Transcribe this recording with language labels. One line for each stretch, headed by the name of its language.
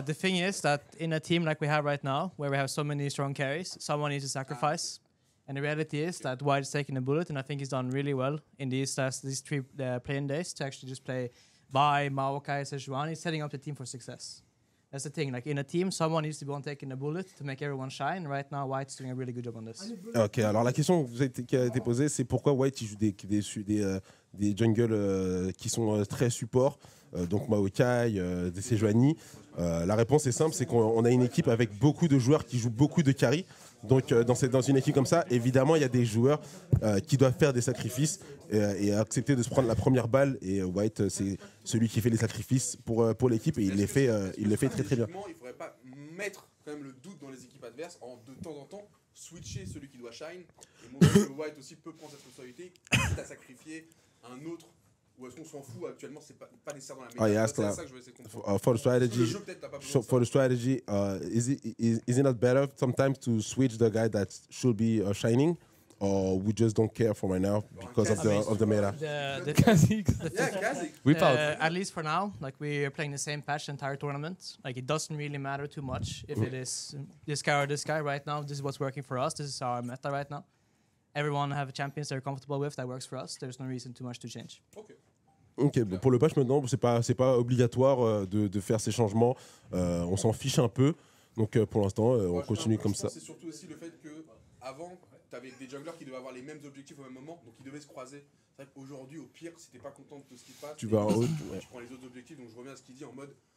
English: The thing is that in a team like we have right now, where we have so many strong carries, someone needs to sacrifice. And the reality is that White's taking a bullet, and I think he's done really well in these three playing days to actually just play Bai, Maokai, Sejuani, setting up the team for success. That's the thing. Like in a team, someone needs to be on taking a bullet to make everyone shine. Right now, White's doing a really good job on this.
French: Okay, alors la question qui a été posée, c'est pourquoi White joue des jungles qui sont très support, donc Maokai, Sejuani. La réponse est simple, c'est qu'on a une équipe avec beaucoup de joueurs qui jouent beaucoup de carry. Donc dans une équipe comme ça, évidemment, il y a des joueurs qui doivent faire des sacrifices et accepter de se prendre la première balle. Et White, c'est celui qui fait les sacrifices pour l'équipe et il les fait très très bien. Il ne faudrait pas mettre quand même le doute dans les équipes adverses en de temps en temps switcher celui qui doit shine et montrer que White aussi peut prendre cette responsabilité quitte à sacrifier un autre. Ou est-ce qu'on s'en fout actuellement, c'est pas nécessaire dans la méthode. C'est ça que je vais essayer de comprendre.
English: For the strategy, is it not better sometimes to switch the guy that should be shining, or we just don't care for right now because of the meta? The Kha'Zix. At least for now, like we are playing the same patch entire tournament. Like it doesn't really matter too much if it is this guy or this guy right now. This is what's working for us. This is our meta right now. Everyone have champions they're comfortable with that works for us. There's no reason too much to change. Okay.
French: Bon, pour le patch maintenant, c'est pas obligatoire de faire ces changements. On s'en fiche un peu. Donc pour l'instant, on continue comme ça. C'est surtout aussi le fait que avant, t'avais des junglers qui devaient avoir les mêmes objectifs au même moment, donc ils devaient se croiser. C'est vrai qu'aujourd'hui, au pire, si t'es pas content de ce qui se passe, tu prends les autres objectifs. Donc je reviens à ce qu'il dit en mode.